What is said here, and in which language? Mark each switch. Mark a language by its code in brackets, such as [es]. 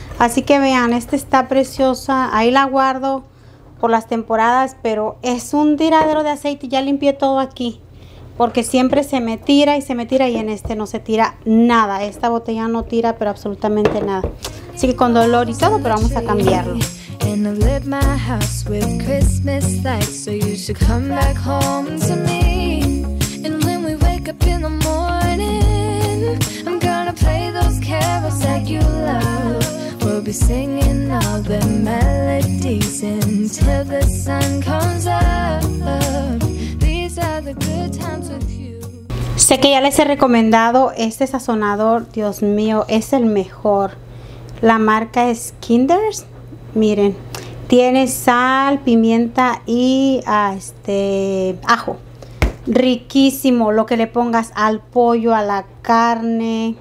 [es] Así que vean, esta está preciosa. Ahí la guardo por las temporadas, pero es un tiradero de aceite. Ya limpié todo aquí, porque siempre se me tira y se me tira, y en este no se tira nada. Esta botella no tira, pero absolutamente nada. Así que con dolor y todo, pero vamos a cambiarlo. [en] And I lit my house with Christmas lights, so you should come back home to me. And when we wake up in the morning, I'm gonna play those carols that you love. We'll be singing all the melodies until the sun comes up. These are the good times with you. [es] Sé que ya les he recomendado este sazonador, Dios mío, es el mejor. La marca es Kinders. Miren, tiene sal, pimienta y ajo. Riquísimo lo que le pongas al pollo, a la carne.